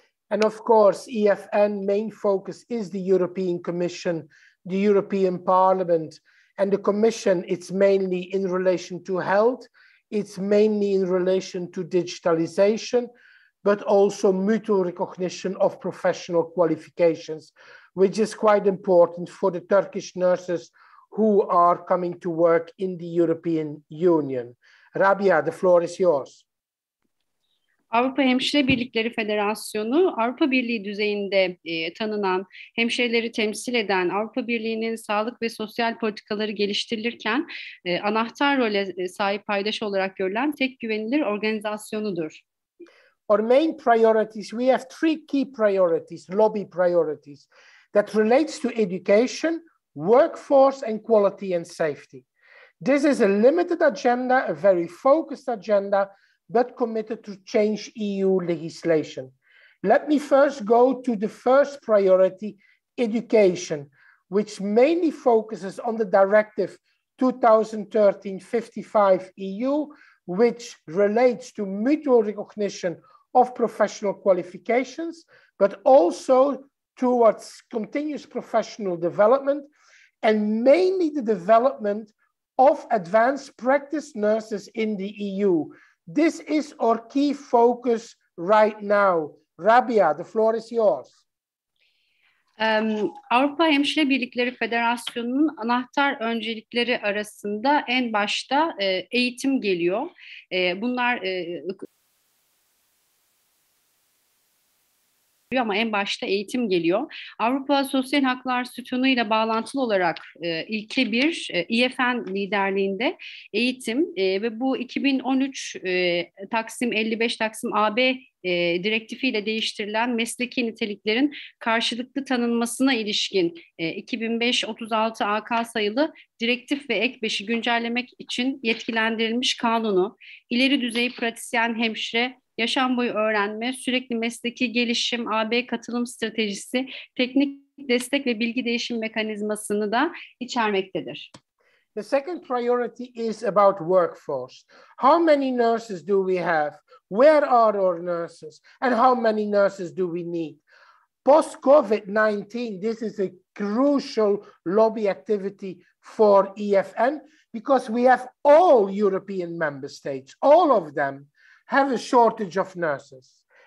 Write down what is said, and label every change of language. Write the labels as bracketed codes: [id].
[en] And of course, EFN main focus is the European Commission, the European Parliament, and the Commission, it's mainly in relation to health, it's mainly in relation to digitalization, but also mutual recognition of professional qualifications, which is quite important for the Turkish nurses who are coming to work in the European Union. Rabia, the floor is yours. [tr] Avrupa Hemşire Birlikleri Federasyonu, Avrupa Birliği düzeyinde tanınan hemşireleri temsil eden Avrupa Birliği'nin sağlık ve sosyal politikaları geliştirilirken anahtar role sahip paydaş olarak görülen tek güvenilir organizasyonudur. [en] Our main priorities, we have three key priorities, lobby priorities, that relates to education, workforce and quality and safety. This is a limited agenda, a very focused agenda, but committed to change EU legislation. Let me first go to the first priority, education, which mainly focuses on the directive 2013/55 EU, which relates to mutual recognition of professional qualifications, but also towards continuous professional development, and mainly the development of advanced practice nurses in the EU. This is our key focus right now. Rabia, the floor is yours. [tr] Avrupa Hemşire Birlikleri Federasyonu'nun anahtar öncelikleri arasında en başta eğitim geliyor. Bunlar... ama en başta eğitim geliyor. Avrupa Sosyal Haklar Sütunu ile bağlantılı olarak ilke bir EFN liderliğinde eğitim ve bu 2013 Taksim 55 Taksim AB direktifiyle değiştirilen mesleki niteliklerin karşılıklı tanınmasına ilişkin 2005-36 AK sayılı direktif ve ek 5'i güncellemek için yetkilendirilmiş kanunu, ileri düzey pratisyen hemşire, yaşam boyu öğrenme, sürekli mesleki gelişim, AB katılım stratejisi, teknik destek ve bilgi değişim mekanizmasını da içermektedir. [en] The second priority is about workforce. How many nurses do we have? Where are our nurses? And how many nurses do we need? Post-COVID-19, this is a crucial lobby activity for EFN because we have all European member states, all of them, have a shortage of nurses.